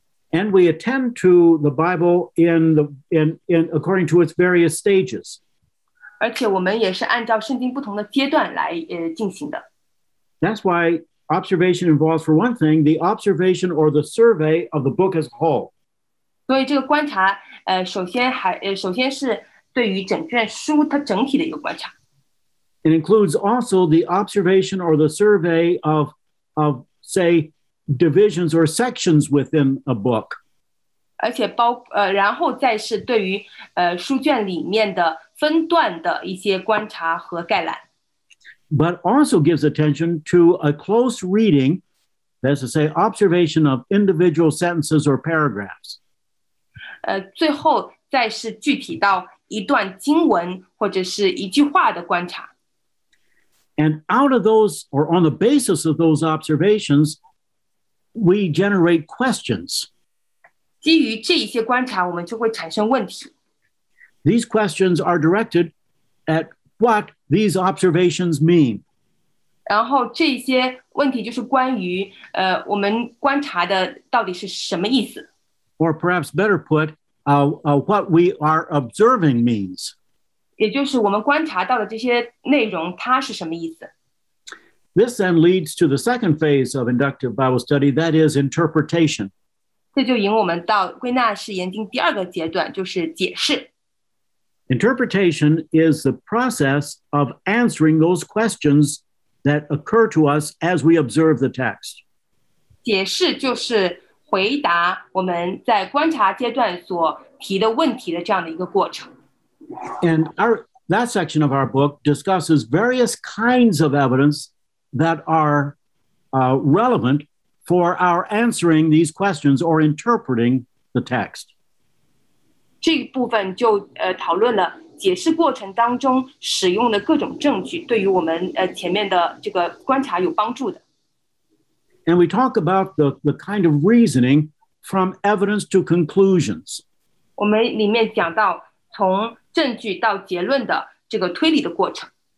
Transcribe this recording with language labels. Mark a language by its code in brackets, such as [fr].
[en] And we attend to the Bible in according to its various stages. [zh] 而且我们也是按照圣经不同的阶段来进行的。 [en] That's why observation involves, for one thing, the observation or the survey of the book as a whole. [zh] 所以这个观察首先是对于整卷书它整体的一个观察。 [en] It includes also the observation or the survey of say,divisions or sections within a book. [zh] 而且包然后再是对于书卷里面的分段的一些观察和概览。 [en] But also gives attention to a close reading, that is to say, observation of individual sentences or paragraphs. [zh] 最后再是具体到一段经文或者是一句话的观察。 [en] And out of those, or on the basis of those observations,We generate questions. [zh] 基于这一些观察，我们就会产生问题。 [en] These questions are directed at what these observations mean. [zh] 然后这些问题就是关于我们观察的到底是什么意思。 [en] Or perhaps better put, what we are observing means. [zh] 也就是我们观察到的这些内容它是什么意思。 [en] This then leads to the second phase of inductive Bible study, that is interpretation. [zh] 这就引我们到归纳式研经第二个阶段，就是解释。 [en] Interpretation is the process of answering those questions that occur to us as we observe the text. [zh] 解释就是回答我们在观察阶段所提的问题的这样的一个过程。 [en] And that section of our book discusses various kinds of evidence that are relevant for our answering these questions or interpreting the text. [zh] 这一部分就讨论了解释过程当中使用的各种证据对于我们前面的这个观察有帮助的。 [en] And we talk about the kind of reasoning from evidence to conclusions. [zh] 我们里面讲到从证据到结论的这个推理的过程。